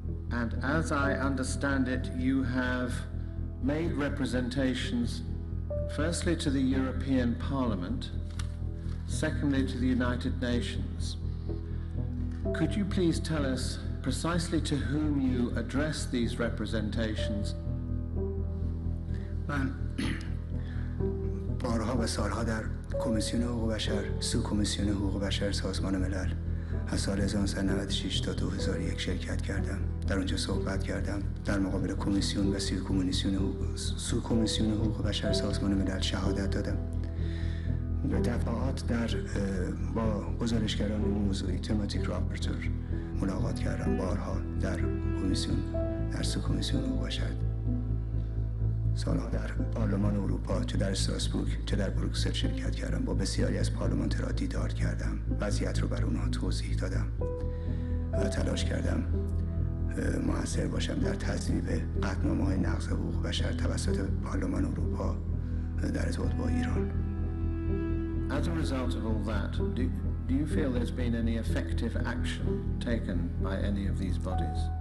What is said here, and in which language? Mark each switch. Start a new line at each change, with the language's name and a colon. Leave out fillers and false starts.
English: And as I understand it, you have made representations, firstly to the European Parliament, secondly to the United Nations. Could you please tell us precisely to whom you addressed these representations?
Persian: من بارها و سالها در کمیسیون حقوق بشر، سو کمیسیون حقوق بشر سازمان ملل، از سال 1996 تا 2001 شرکت کردم. در اونجا صحبت کردم، در مقابل کمیسیون و سو کمیسیون حقوق بشر سازمان ملل شهادت دادم. به دفعات در با گزارشگران موضوعی تماتیک راپورتر ملاقات کردم، بارها در کمیسیون، در سو کمیسیون حقوق بشر، سالها در پارلمان اروپا، چه در استراسبورگ چه در بروکسل شرکت کردم. با بسیاری از پارلمان ترا دیدار کردم، وضعیت رو بر اونها توضیح دادم و تلاش کردم مؤثر باشم در تصویب قطعنامه های نقض حقوق بشر توسط پارلمان اروپا در ارتباط با ایران.
English: As a result of all that, do you feel there's been any effective action taken by any of these bodies?